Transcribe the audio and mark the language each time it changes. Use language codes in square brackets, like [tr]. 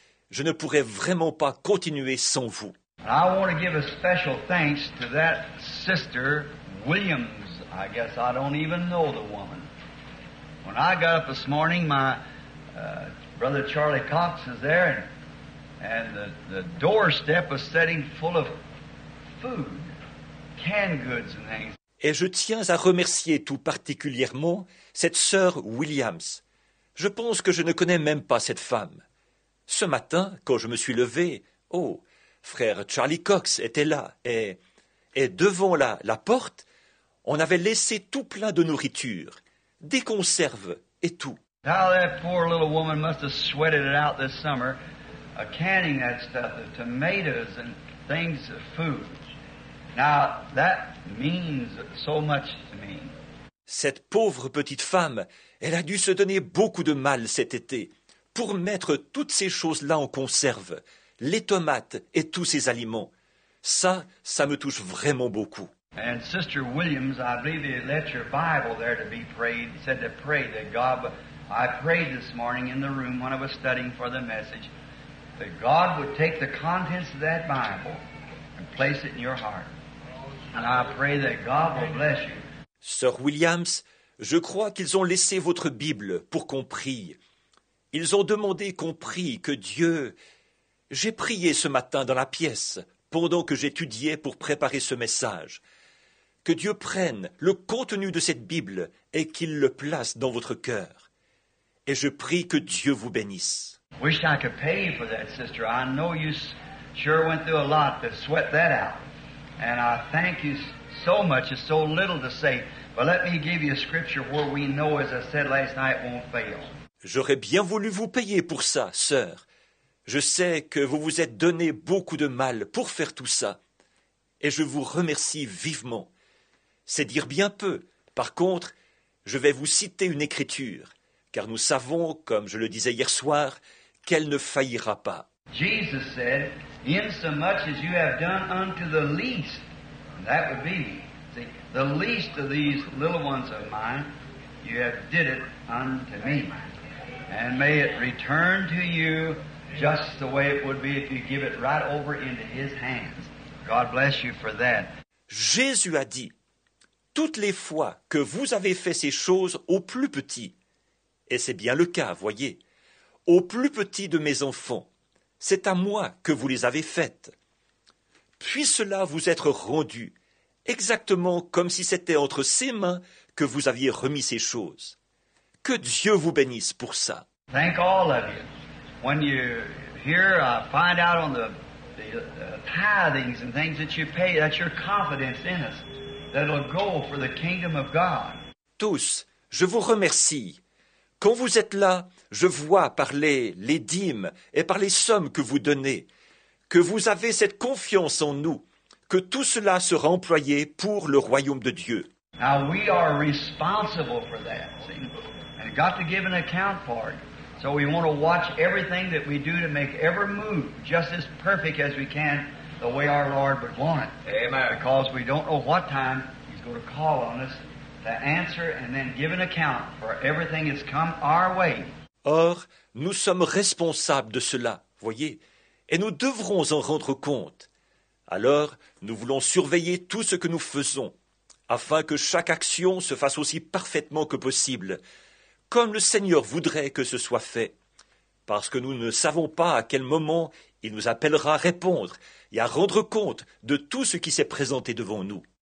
[fr] Je ne pourrais vraiment pas continuer sans vous. [en] I want to give a special thanks to that sister Williams. I guess I don't even know the woman. When I got up this morning, my brother Charlie Cox is there, and the doorstep was setting full of food, canned goods and things. [fr] Et je tiens à remercier tout particulièrement cette sœur Williams. Je pense que je ne connais même pas cette femme. Ce matin, quand je me suis levé, oh, frère Charlie Cox était là, et devant la porte, on avait laissé tout plein de nourriture, des conserves et tout. [en] Now that poor little woman must have sweated it out this summer, canning that stuff, the tomatoes and things of food. Now that means so much to me. [fr] Cette pauvre petite femme, elle a dû se donner beaucoup de mal cet été pour mettre toutes ces choses-là en conserve, les tomates et tous ces aliments. Ça me touche vraiment beaucoup. [en] And Sister Williams, I believe they let your Bible there to be prayed, said to pray that God. I prayed this morning in the room when I was studying for the message that God would take the contents of that Bible and place it in your heart. And I pray that God will bless you. [fr] Sir Williams, je crois qu'ils ont laissé votre Bible pour qu'on prie. Ils ont demandé qu'on prie, que Dieu... J'ai prié ce matin dans la pièce pendant que j'étudiais pour préparer ce message. Que Dieu prenne le contenu de cette Bible et qu'il le place dans votre cœur. Et je prie que Dieu vous bénisse. [en] Wish I could pay you for that, sister. I know you sure went through a lot to sweat that out. And I thank you so much. It's so little to say. But let me give you a scripture where we know, as I said last night, won't fail. [fr] J'aurais bien voulu vous payer pour ça, sœur. Je sais que vous vous êtes donné beaucoup de mal pour faire tout ça. Et je vous remercie vivement. C'est dire bien peu. Par contre, je vais vous citer une écriture. Car nous savons, comme je le disais hier soir, qu'elle ne faillira pas. [en] Jesus said, "Insomuch as you have done unto the least, and that would be me, see, the least of these little ones of mine, you have did it unto me. And may it return to you just the way it would be if you give it right over into his hands. God bless you for that." [fr] Jésus a dit, toutes les fois que vous avez fait ces choses aux plus petits, et c'est bien le cas, voyez. Au plus petit de mes enfants, c'est à moi que vous les avez faites. Puis cela vous être rendu, exactement comme si c'était entre ses mains que vous aviez remis ces choses. Que Dieu vous bénisse pour ça. [en] Thank all of you. When you hear, find out on the tithings and things that you pay, that's your confidence in us, that'll go for the kingdom of God. [fr] Tous, je vous remercie. Quand vous êtes là, je vois par les dîmes et par les sommes que vous donnez, que vous avez cette confiance en nous, que tout cela sera employé pour le royaume de Dieu. [en] Now we are responsible for that, see? And got to give an account for it. So we want to watch everything that we do to make every move just as perfect as we can, the way our Lord would want it. Amen. Because we don't know what time He's going to call on us. To answer and then give an account for everything that's come our way. [fr] Or, nous sommes responsables de cela, voyez, et nous devrons en rendre compte. Alors, nous voulons surveiller tout ce que nous faisons, afin que chaque action se fasse aussi parfaitement que possible, comme le Seigneur voudrait que ce soit fait, parce que nous ne savons pas à quel moment il nous appellera à répondre et à rendre compte de tout ce qui s'est présenté devant nous.